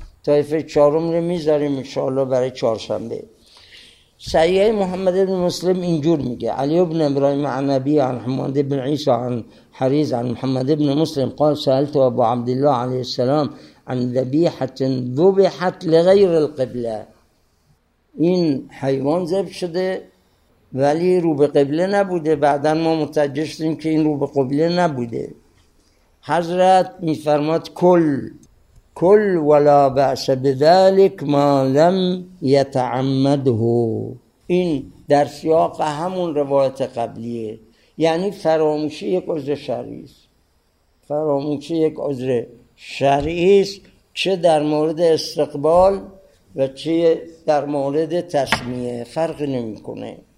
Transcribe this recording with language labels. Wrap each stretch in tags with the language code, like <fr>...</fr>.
<fa>طایفه چارم رو میذاریم انشاءالله برای چهارشنبه. صحیحه محمد بن مسلم اینجور میگه،</fa> <ar>علی بن ابراهیم عن نبی عن حماد بن عیسی عن حریز عن محمد بن مسلم قال سألت ابا عبدالله علیه السلام عن ذبیحة ذبحت لغیر القبله،</ar> <fa>این حیوان ذبح شده ولی رو به قبله نبوده، بعدا ما متوجه شدیم که این رو به قبله نبوده. حضرت میفرماد</fa> <ar>کل ولا بأس بذلك ما لم يتعمده.</ar> <fa>این در سیاق همون روایت قبلیه، یعنی فراموشی یک عذر شرعیست، فراموشی یک عذر شرعیست، چه در مورد استقبال و چه در مورد تسمیه، فرق نمی کنه.</fa>